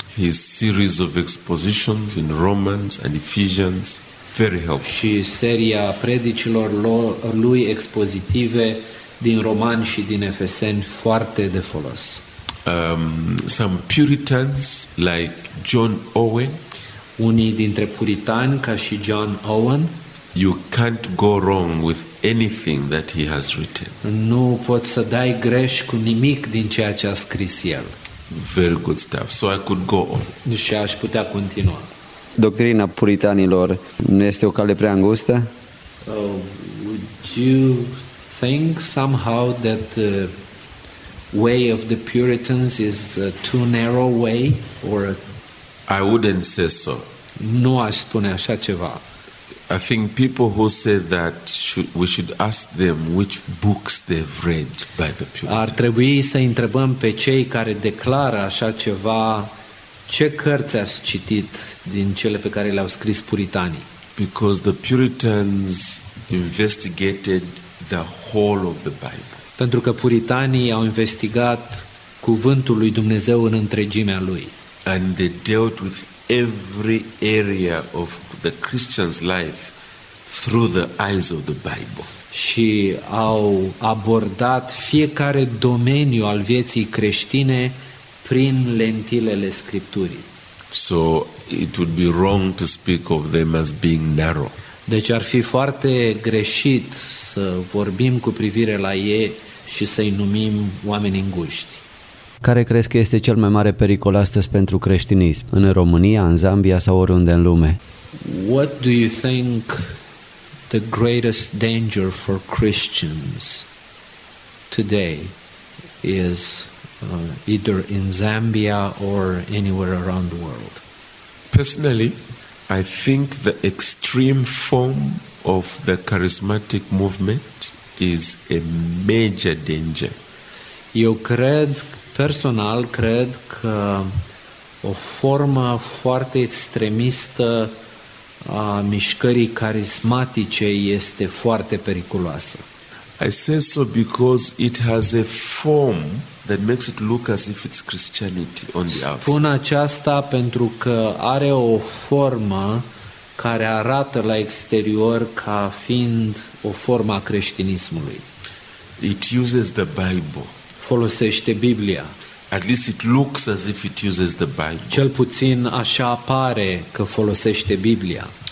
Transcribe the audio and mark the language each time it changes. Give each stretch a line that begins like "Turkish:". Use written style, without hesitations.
English: His series of expositions in Romans and Ephesians. Very helpful.
Romanian: Și seria predicilor lui expozitive din Romani și din Efeseni foarte de folos.
English: Some Puritans like John Owen.
Romanian: Unii dintre puritani ca și John Owen.
English: You can't go wrong with anything that he has written.
Romanian: Nu poți să dai greș cu nimic din ceea ce a scris el.
English: Very good stuff. So I could go on.
Romanian: Și aș putea continua. Doctrina puritanilor nu este o cale prea îngustă?
English: Would you think somehow that the way of the Puritans is a too narrow way or a... I wouldn't say so.
Romanian: Nu aș spune așa ceva.
English: I think people who say that we should ask them which books they've read by the Puritans.
Romanian: Ar trebui să întrebăm pe cei care declară așa ceva. Ce cărți ați citit din cele pe care le-au scris puritanii?
English: Because the Puritans investigated the whole of the Bible.
Romanian: Pentru că puritanii au investigat cuvântul lui Dumnezeu în întregimea lui.
English: And they dealt with every area of the Christian's life through the eyes of the Bible.
Romanian: Și au abordat fiecare domeniu al vieții creștine prin lentilele Scripturii.
English: So it would be wrong to speak of them as being narrow.
Romanian: Deci ar fi foarte greșit să vorbim cu privire la ei și să-i numim oameni înguști. Care crezi că este cel mai mare pericol astăzi pentru creștinism? În România, în Zambia sau oriunde în lume?
English: What do you think the greatest danger for Christians today is? Either in Zambia or anywhere around the world. Personally, I think the extreme form of the charismatic movement is a major danger.
Romanian: Eu cred, personal, cred că o formă foarte extremistă a mișcării carismatice este foarte periculoasă.
English: I say so because it has a form that makes it look as if it's Christianity on the outside.
Romanian: Spun aceasta pentru că are o formă care arată la exterior ca fiind o formă a creștinismului.
English: It uses the Bible.
Romanian: Folosește Biblia.
English: At least it looks as if it uses the Bible.
Romanian: Cel puțin așa pare că folosește Biblia.